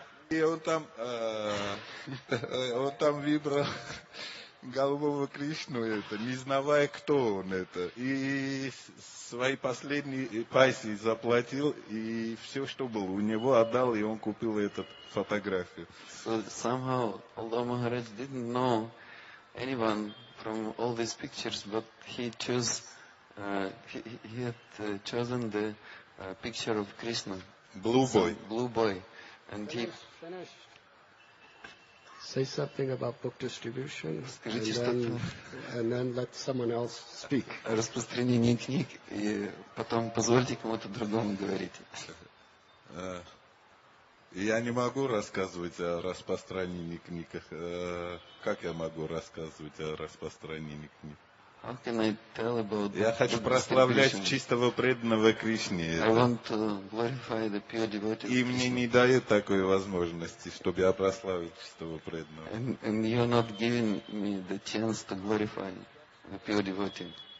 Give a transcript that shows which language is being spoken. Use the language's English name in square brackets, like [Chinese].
[Russian] И он там выбрал голубого Кришну, это, не зная, кто он это. И свои последние пайсы заплатил, и все, что было, у него отдал, и он купил эту фотографию. [English] So somehow Allah Maharaj didn't know anyone from all these pictures, but he chose, he had chosen the picture of Krishna. Blue boy. And finish. Say something about book distribution, and then let someone else speak. [Russian] Распространение книг, и потом позвольте кому-то другому говорить. Я не могу рассказывать о распространении книг. Как я могу рассказывать о распространении книг? [English] How can I tell about [Russian] Я хочу прославлять чистого преданного Кришне. [English] I want to glorify the pure devotee. [Russian] И мне не дают такой возможности, чтобы я прославил чистого преданного. [English] And you're not giving me the chance to glorify the pure devotee.